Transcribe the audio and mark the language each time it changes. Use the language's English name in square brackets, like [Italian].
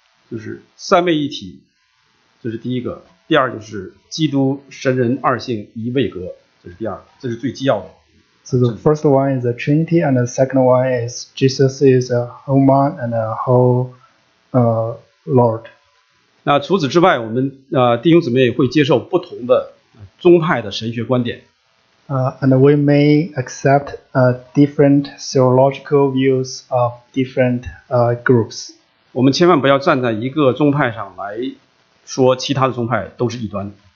[Chinese] 就是三位一体，这是第一个。第二就是基督神人二性一位格，这是第二个，这是最基要的。 [English] So the first one is the Trinity, and the second one is Jesus is who man and who Lord. [Chinese] 那除此之外，我们弟兄姊妹会接受不同的宗派的神学观点。 [English] And we may accept different theological views of different groups. [Chinese] 我们千万不要站在一个宗派上来说其他的宗派都是异端。